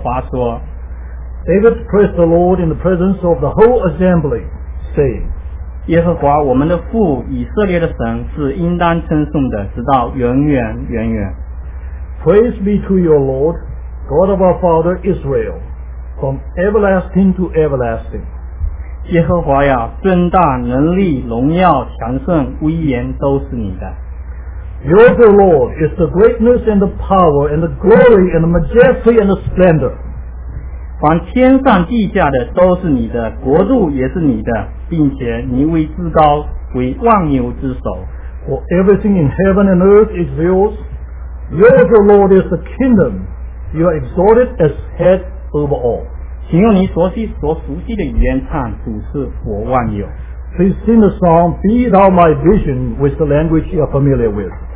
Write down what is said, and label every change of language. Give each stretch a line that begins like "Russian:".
English: David praised the Lord in the presence of the whole assembly, saying,
Chinese: 耶和华, 我们的父, 以色列的神, 是应当称颂的, 直到永远,
English: Praise be to your Lord, God of our father Israel, from everlasting to everlasting.
Chinese: 耶和华呀, 尊大, 能力, 荣耀, 强盛,
English: Your the Lord is the greatness and the power and the glory and the majesty and the splendor.
Chinese: 凡天上地下的都是你的，国度也是你的， 并且你为至高, 为万有之首。
English: For everything in heaven and earth is yours. Your the Lord is the kingdom. You are exalted as head over all.
Chinese: 请用你所熟悉的语言唱，主是我万有。
English: Please sing the song, Be Thou My Vision, with the language you are familiar with.